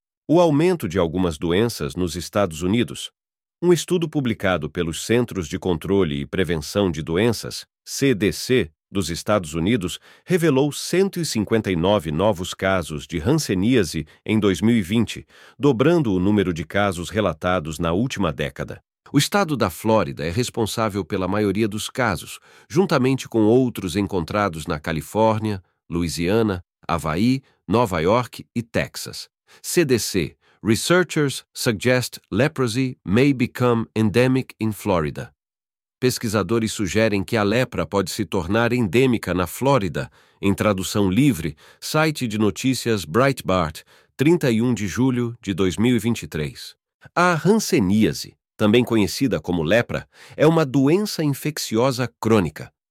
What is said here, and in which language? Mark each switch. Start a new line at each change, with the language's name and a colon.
Portuguese: O aumento de algumas doenças nos Estados Unidos. Um estudo publicado pelos Centros de Controle e Prevenção de Doenças, CDC, dos Estados Unidos, revelou 159 novos casos de hanseníase em 2020, dobrando o número de casos relatados na última década. O estado da Flórida é responsável pela maioria dos casos, juntamente com outros encontrados na Califórnia, Louisiana, Havaí, Nova York e Texas.
English: CDC: Researchers suggest leprosy may become endemic in Florida.
Portuguese: Pesquisadores sugerem que a lepra pode se tornar endêmica na Flórida, em tradução livre, site de notícias Breitbart, 31 de julho de 2023. A hanseníase, também conhecida como lepra, é uma doença infecciosa crônica.